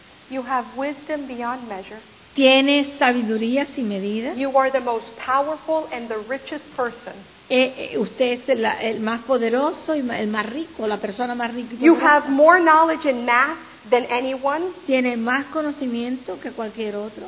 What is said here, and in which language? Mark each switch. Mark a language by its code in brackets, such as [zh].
[en] You have wisdom beyond measure. [es] Tiene sabiduría sin medida. [en] You are the most powerful and the richest person. [es] Usted es el más poderoso y el más rico, la persona más rica. [en] You have more knowledge in math than anyone. [es] Tiene más conocimiento que cualquier otro.